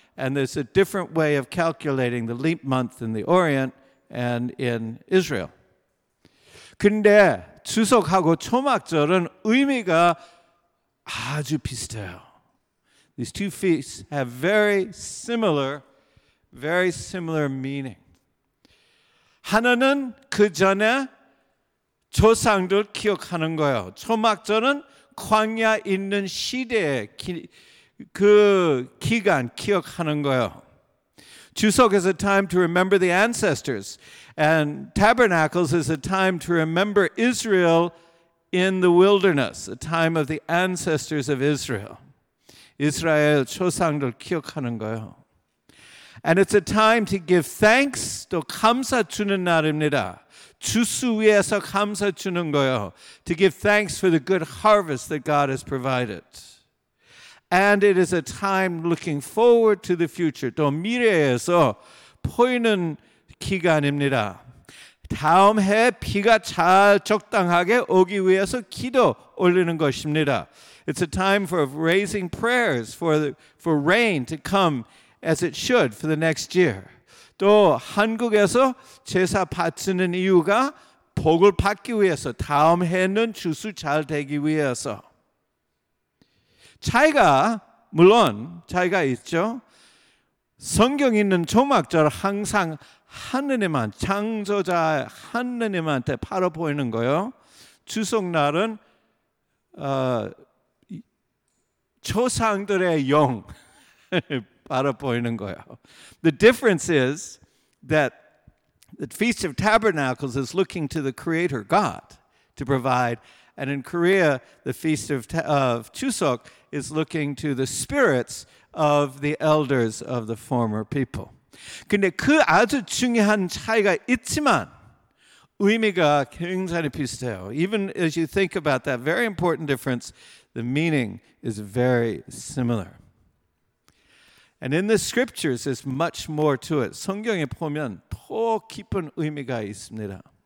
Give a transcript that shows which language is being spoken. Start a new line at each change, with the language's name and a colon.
English: And there's a different way of calculating the leap month in the Orient and in Israel.
Korean: 근데 추석하고 초막절은 의미가 아주 비슷해요.
English: These two feasts have very similar meaning.
Korean: 하나는 그 전에 조상들 기억하는 거예요. 초막절은 광야 있는 시대의 그 기간 기억하는 거예요.
English: 추석 is a time to remember the ancestors, and tabernacles is a time to remember Israel in the wilderness, a time of the ancestors of Israel.
Korean: 이스라엘 초상들 기억하는 거예요.
English: And it's a time to give thanks,
Korean: 또 감사 주는 날입니다. 추수 위해서 감사 주는 거예요.
English: To give thanks for the good harvest that God has provided. And it is a time looking forward to the future.
Korean: 또 미래에서 보이는 기간입니다. 다음 해 비가 잘 적당하게 오기 위해서 기도 올리는 것입니다.
English: It's a time for raising prayers for rain to come as it should for the next year.
Korean: 또 한국에서 제사 바치는 이유가 복을 받기 위해서 다음 해는 추수 잘 되기 위해서 차이가 물론 차이가 있죠. 성경 있는 초막절 항상 하느님한 창조자 하느님한테 바로 보이는 거예요. 추석날은 초상들의 영 바로 보이는 거예요.
English: The difference is that the Feast of Tabernacles is looking to the Creator God to provide. And in Korea, the Feast of Chuseok is looking to the spirits of the elders of the former people.
Korean: 근데 그 아주 중요한 차이가 있지만 의미가 굉장히 비슷해요.
English: Even as you think about that very important difference, the meaning is very similar. And in the scriptures, there's much more to it.
Korean: 성경에 보면 더 깊은 의미가 있습니다.